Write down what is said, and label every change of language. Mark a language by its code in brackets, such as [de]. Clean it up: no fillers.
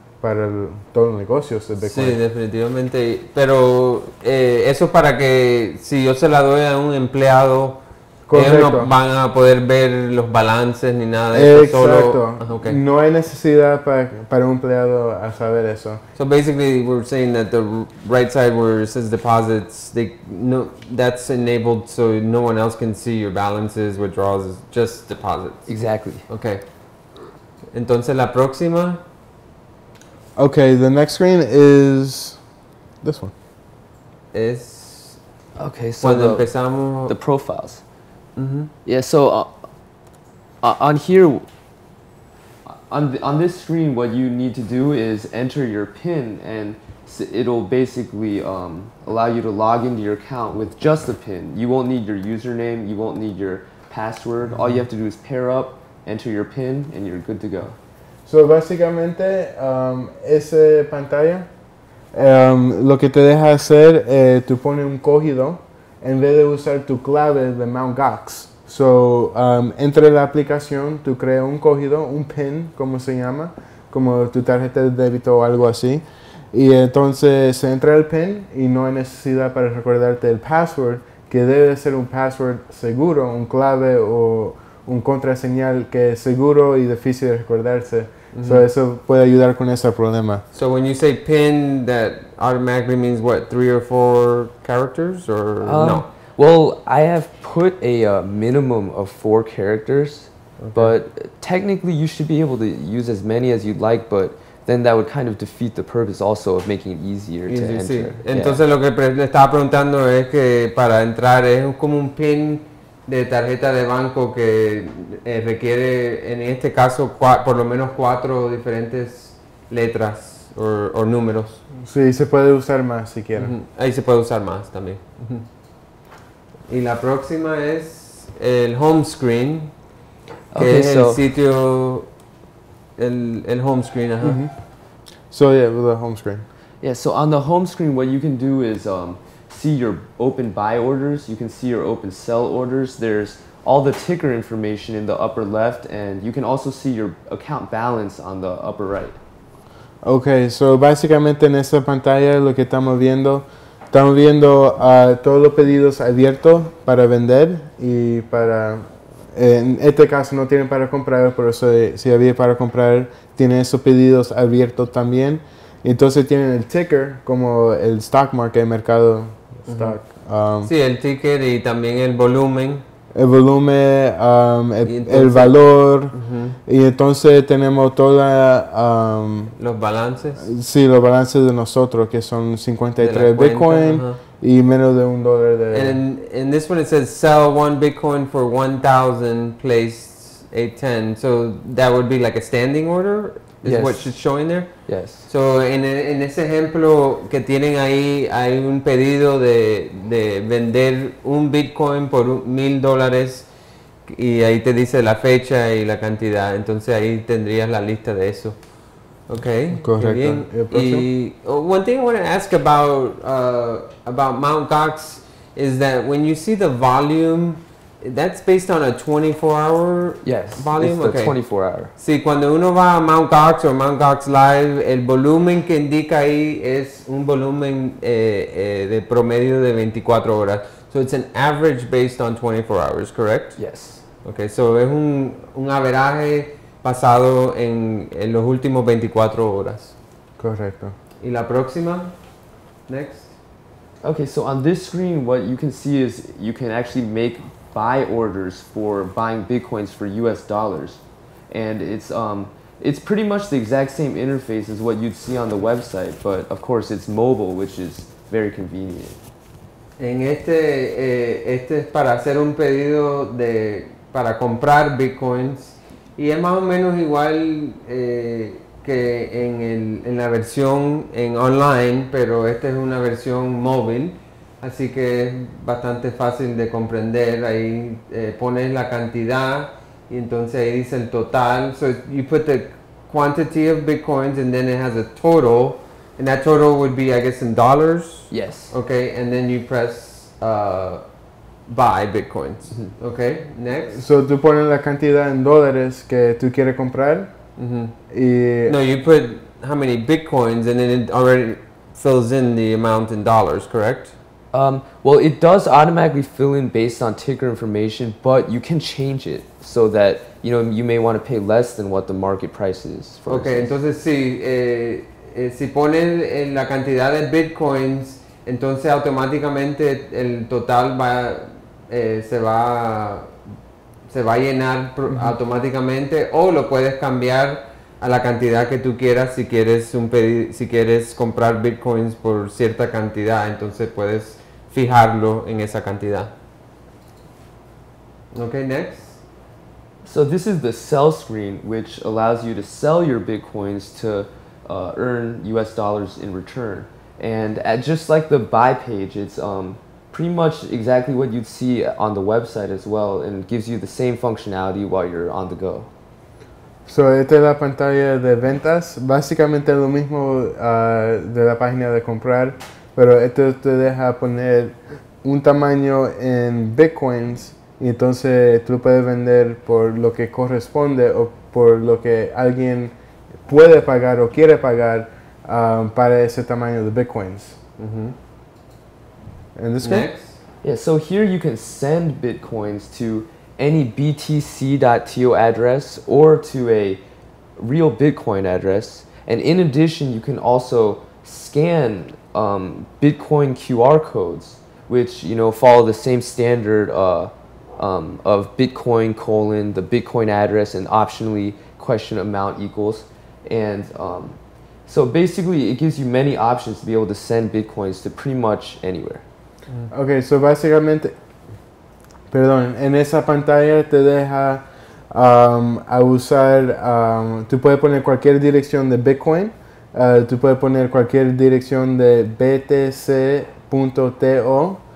[es] Para todos los negocios de Bitcoin. Sí, definitivamente. Pero eso para que si yo se la doy a un empleado, correcto, ellos no van a poder ver los balances ni nada de eso. Exacto. Solo, okay. No hay necesidad para un empleado a saber eso. [en] So basically we're saying that the right side where it says deposits, that's enabled so no one else can see your balances, withdrawals, just deposits. Exactly. [es] Okay. Entonces la próxima... [en] Okay, the next screen is this one. Is okay, so the profiles. Mm-hmm. Yeah, so on here, on this screen, what you need to do is enter your PIN, and it'll basically allow you to log into your account with just a PIN. You won't need your username, you won't need your password. Mm-hmm. All you have to do is pair up, enter your PIN, and you're good to go. [es] So, básicamente, esa pantalla, lo que te deja hacer, tú pones un código en vez de usar tu clave de Mt. Gox. So, entre la aplicación, tú creas un código, un PIN, como se llama, como tu tarjeta de débito o algo así. Y entonces, se entra el PIN y no hay necesidad para recordarte el password, que debe ser un password seguro, un clave o un contraseñal que es seguro y difícil de recordarse. Mm-hmm. So eso puede ayudar con ese problema. [en] So when you say PIN, that automatically means what, 3 or 4 characters or no? Well, I have put a minimum of 4 characters. Okay. But technically you should be able to use as many as you'd like, but then that would kind of defeat the purpose also of making it easier to enter. [es] Sí. Entonces yeah. Lo que le estaba preguntando es que para entrar es como un PIN de tarjeta de banco que requiere en este caso por lo menos 4 diferentes letras o números. Sí, se puede usar más si quieren. Uh-huh. Ahí se puede usar más también. Uh-huh. Y la próxima es el home screen, que okay, es so el sitio, el home screen. [en] Uh-huh. Uh-huh. So yeah, the home screen. Yeah, so on the home screen what you can do is see your open buy orders, you can see your open sell orders, there's all the ticker information in the upper left, and you can also see your account balance on the upper right. [es] Okay, so básicamente en esta pantalla lo que estamos viendo todos los pedidos abiertos para vender y para, en este caso no tienen para comprar, pero si había para comprar, tienen esos pedidos abiertos también. Entonces tienen el ticker como el stock market, mercado. [en] Stock. [es] Sí, el ticket y también el volumen. El volumen, el valor. Uh-huh. Y entonces tenemos todas... los balances. Sí, los balances de nosotros, que son 53 Bitcoin. Uh-huh. Y menos de $1 de... [en] And this one it says, sell 1 Bitcoin for 1,000, place 810. So that would be like a standing order? Is yes. What she's showing there? Yes. [es] So, en ese ejemplo que tienen ahí, hay un pedido de vender un Bitcoin por $1,000 y ahí te dice la fecha y la cantidad. Entonces, ahí tendrías la lista de eso. Okay. Correcto. Bien. [en] Y one thing I want to ask about Mt. Gox is that when you see the volume that's based on a 24-hour volume? Yes, it's the 24-hour. [es] Sí, cuando uno va a Mt. Gox or Mt. Gox Live, el volumen que indica ahí es un volumen de promedio de 24 horas. [en] So it's an average based on 24 hours, correct? Yes. [es] Okay, so es un averaje basado en los últimos 24 horas. Correcto. ¿Y la próxima? [en] Next. Okay, so on this screen, what you can see is you can actually make buy orders for buying Bitcoins for US dollars. And it's pretty much the exact same interface as what you'd see on the website, but of course it's mobile, which is very convenient. [es] En este, este es para hacer un pedido de, para comprar Bitcoins. Y es más o menos igual que en, el, en la versión en online, pero esta es una versión móvil, así que es bastante fácil de comprender. Ahí pones la cantidad y entonces ahí dice el total. [en] So you put the quantity of Bitcoins and then it has a total, and that total would be, I guess, in dollars? Yes. Okay, and then you press buy Bitcoins. Mm-hmm. Okay, next. [es] So tú pones la cantidad en dólares que tú quieres comprar. Mm-hmm. [en] No, you put how many Bitcoins and then it already fills in the amount in dollars, correct? Well, it does automatically fill in based on ticker information, but you can change it so that, you know, you may want to pay less than what the market price is. For okay, instance. [es] Entonces si, si pones la cantidad de Bitcoins, entonces automáticamente el total va, se va a llenar automáticamente, o lo puedes cambiar a la cantidad que tú quieras si quieres un si quieres comprar Bitcoins por cierta cantidad, entonces puedes fijarlo en esa cantidad. [en] Okay, next. So this is the sell screen, which allows you to sell your Bitcoins to earn US dollars in return. And at just like the buy page, it's pretty much exactly what you'd see on the website as well, and gives you the same functionality while you're on the go. [es] So, esta es la pantalla de ventas. Básicamente lo mismo de la página de comprar, pero esto te deja poner un tamaño en Bitcoins, y entonces tú puedes vender por lo que corresponde o por lo que alguien puede pagar o quiere pagar para ese tamaño de Bitcoins. Mm-hmm. [en] And this next? Yeah, so here you can send Bitcoins to any btc.to address or to a real Bitcoin address. And in addition, you can also scan Bitcoin QR codes, which, you know, follow the same standard of Bitcoin colon, the Bitcoin address, and optionally question amount equals. And so basically, it gives you many options to be able to send Bitcoins to pretty much anywhere. [es] Okay, so básicamente, perdón, en esa pantalla te deja a usar, tú puedes poner cualquier dirección de Bitcoin, tú puedes poner cualquier dirección de btc.to,